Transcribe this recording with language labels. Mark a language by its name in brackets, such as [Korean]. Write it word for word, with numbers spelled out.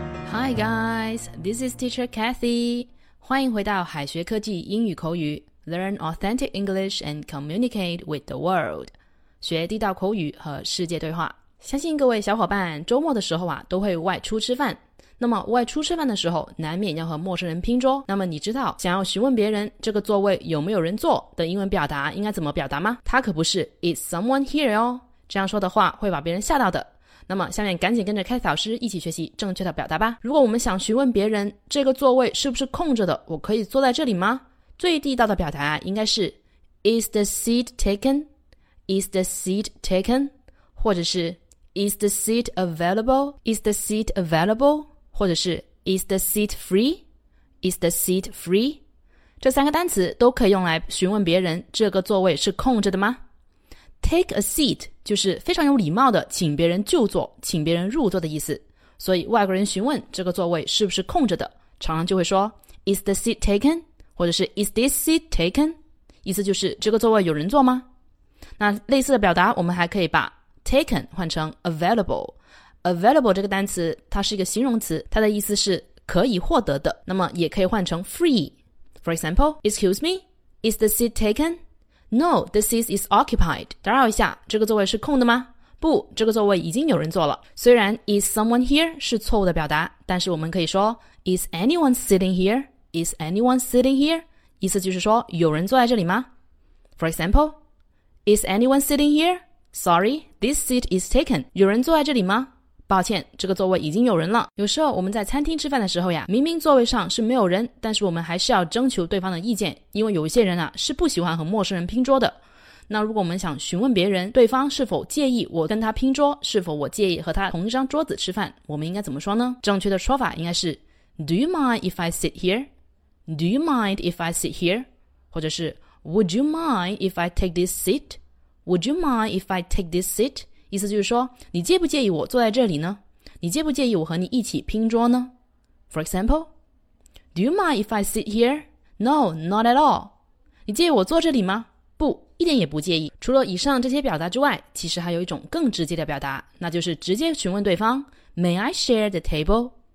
[English] Hi guys, this is teacher Cathy. [Chinese] 欢迎回到海学科技英语口语 [English] Learn authentic English and communicate with the world. [Chinese] 学地道口语和世界对话。相信各位小伙伴周末的时候啊，都会外出吃饭。那么外出吃饭的时候，难免要和陌生人拼桌。那么你知道想要询问别人这个座位有没有人坐的英文表达应该怎么表达吗？它可不是 [English] Is someone here [Chinese] 哦，这样说的话会把别人吓到的。那么下面赶紧跟着Cathy老师一起学习正确的表达吧。如果我们想询问别人这个座位是不是空着的，我可以坐在这里吗？最地道的表达应该是 [English] Is the seat taken? Is the seat taken? [Chinese] 或者是 [English] Is the seat available? Is the seat available? [Chinese] 或者是 [English] Is the seat free? Is the seat free? [Chinese] 这三个单词都可以用来询问别人这个座位是空着的吗？ [English] Take a seat [Chinese] 就是非常有礼貌的请别人就坐，请别人入座的意思。所以外国人询问这个座位是不是空着的，常常就会说 [English] Is the seat taken? [Chinese] 或者是 [English] Is this seat taken? [Chinese] 意思就是这个座位有人坐吗？那类似的表达我们还可以把 taken 换成 available。 available 这个单词它是一个形容词，它的意思是可以获得的，那么也可以换成 free。 [English] For example, Excuse me, is the seat taken? No, the seat is occupied. [Chinese] 打扰一下，这个座位是空的吗？不，这个座位已经有人坐了。虽然 [English] is someone here [Chinese] 是错误的表达，但是我们可以说 [English] Is anyone sitting here? Is anyone sitting here? [Chinese] 意思就是说有人坐在这里吗？ [English] For example, Is anyone sitting here? Sorry, this seat is taken. [Chinese] 有人坐在这里吗？抱歉，这个座位已经有人了。有时候我们在餐厅吃饭的时候呀，明明座位上是没有人，但是我们还是要征求对方的意见，因为有一些人啊是不喜欢和陌生人拼桌的。那如果我们想询问别人对方是否介意我跟他拼桌，是否我介意和他同一张桌子吃饭，我们应该怎么说呢？正确的说法应该是 [English] Do you mind if I sit here? Do you mind if I sit here? [Chinese] 或者是 [English] Would you mind if I take this seat? Would you mind if I take this seat? [Chinese] 意思就是说，你介不介意我坐在这里呢？你介不介意我和你一起拼桌呢？ [English] For example, Do you mind if I sit here? No, not at all. [Chinese] 你介意我坐这里吗？不，一点也不介意。除了以上这些表达之外，其实还有一种更直接的表达，那就是直接询问对方 [English] May I share the table?